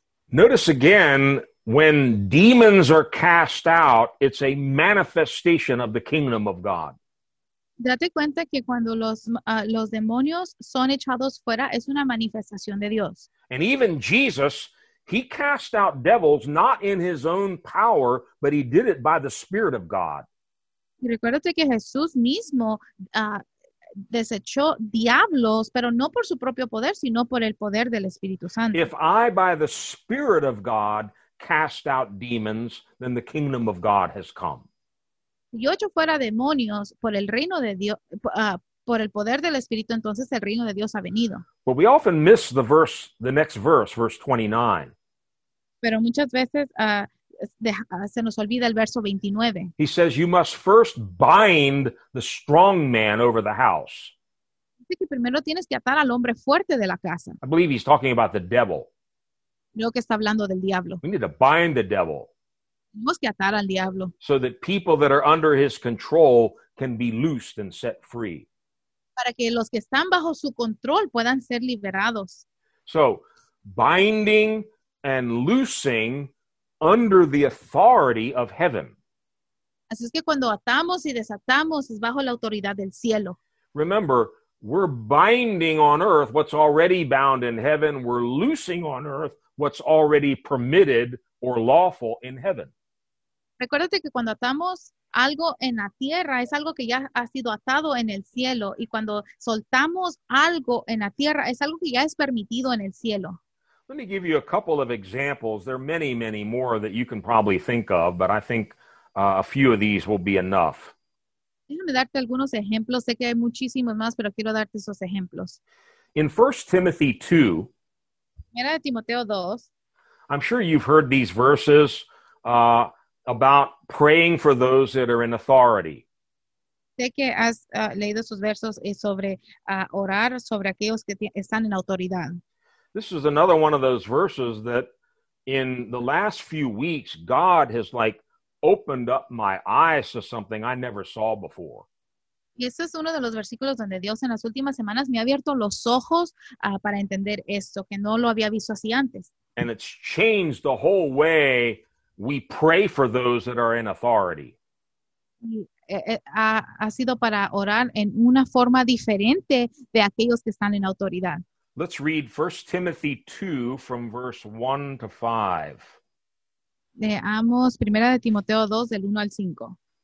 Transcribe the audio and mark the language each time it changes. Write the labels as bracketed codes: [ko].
[en] Notice again, when demons are cast out, it's a manifestation of the kingdom of God. [es] Date cuenta que cuando los demonios son echados fuera, es una manifestación de Dios. [en] And even Jesus, he cast out devils not in his own power, but he did it by the Spirit of God. [es] Y recuérdate que Jesús mismo desechó diablos, pero no por su propio poder, sino por el poder del Espíritu Santo. [en] If I, by the Spirit of God, cast out demons, then the kingdom of God has come. [es] Yo echo fuera demonios por el reino de Dios, por el poder del Espíritu, entonces el reino de Dios ha venido. [en] But we often miss the verse, the next verse, verse 29. [es] Pero muchas veces se nos olvida el verso 29. [en] He says you must first bind the strong man over the house. [es] Dice que primero tienes que atar al hombre fuerte de la casa. [en] I believe he's talking about the devil. [es] Creo que está hablando del diablo. [en] We need to bind the devil. [es] Tenemos que atar al diablo. [en] So that people that are under his control can be loosed and set free. [es] Para que los que están bajo su control puedan ser liberados. [en] So, binding and loosing under the authority of heaven. [es] Así es que cuando atamos y desatamos es bajo la autoridad del cielo. [en] Remember, we're binding on earth what's already bound in heaven. We're loosing on earth what's already permitted or lawful in heaven. [es] Recuérdate que cuando atamos algo en la tierra es algo que ya ha sido atado en el cielo. Y cuando soltamos algo en la tierra es algo que ya es permitido en el cielo. [en] Let me give you a couple of examples. There are many, many more that you can probably think of, but I think a few of these will be enough. [es] Déjame darte algunos ejemplos. Sé que hay muchísimos más, pero quiero darte esos ejemplos. [en] In 1 Timothy 2, [es] Primera de Timoteo 2, [en] I'm sure you've heard these verses about praying for those that are in authority. [es] Sé que has leído esos versos sobre orar sobre aquellos que están en autoridad. [en] This is another one of those verses that in the last few weeks, God has like opened up my eyes to something I never saw before. [es] Y ese es uno de los versículos donde Dios en las últimas semanas me ha abierto los ojos para entender esto, que no lo había visto así antes. [en] And it's changed the whole way we pray for those that are in authority. [es] Ha sido para orar en una forma diferente de aquellos que están en autoridad. [en] Let's read 1 Timothy 2 from verse 1 to 5. [es] Leamos Primera de Timoteo 2 del 1 al 5.